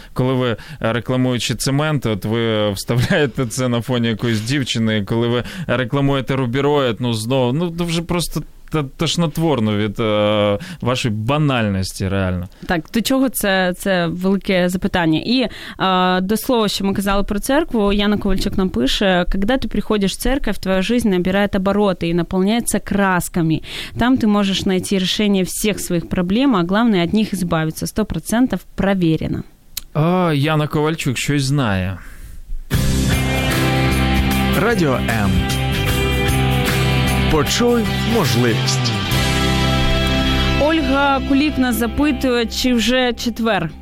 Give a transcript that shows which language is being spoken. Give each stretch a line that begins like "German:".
Ukrainian: Коли ви, рекламуючи цемент, от ви вставляєте це на фоні якоїсь дівчини, коли ви рекламуєте рубіроїд, ну, знову, ну, то вже просто тошнотворно від вашої банальності, реально. Так, до чого це велике запитання. І до слова, що ми казали про церкву, Яна Ковальчук нам пише,
Russian: «Когда ты приходишь в церковь, твоя жизнь набирает обороты и наполняется красками. Там ты можешь найти решение всех своих проблем, а главное, от них избавиться. 100% проверено».
Ukrainian: О, Яна Ковальчук щось знає. Радіо М. Почуй можливість. Ольга Кулік нас запитує, чи вже четвер.